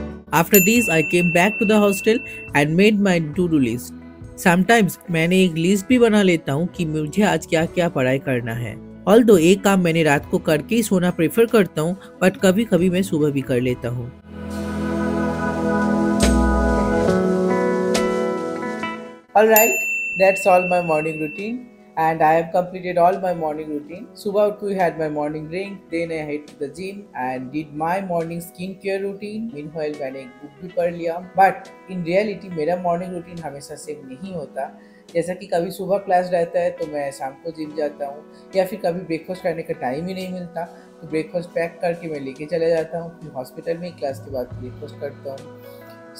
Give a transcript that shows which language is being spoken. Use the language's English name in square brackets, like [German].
[English] After this, I came back to the hostel and made my to-do list. [Hindi] Sometimes, मैंने एक list भी बना लेता हूँ कि मुझे आज क्या क्या पढ़ाई करना है। Although, एक काम मैंने रात को करके ही सोना प्रेफर करता हूँ, बट कभी कभी मैं सुबह भी कर लेता हूँ। [English] Alright, that's all my morning routine and I have completed all my morning routine. [Hindi] सुबह उठ के [English] had my morning drink, then I head to the gym and did my morning skincare routine. [Hindi] Meanwhile, मैंने एक book भी पढ़ लिया, [English] but in reality, [Hindi] मेरा morning routine हमेशा सेम नहीं होता। जैसा कि कभी सुबह क्लास रहता है तो मैं शाम को जिम जाता हूँ, या फिर कभी ब्रेकफास्ट करने का टाइम ही नहीं मिलता तो ब्रेकफास्ट पैक करके मैं लेके चला जाता हूँ, फिर हॉस्पिटल में क्लास के बाद ब्रेकफास्ट करता हूँ।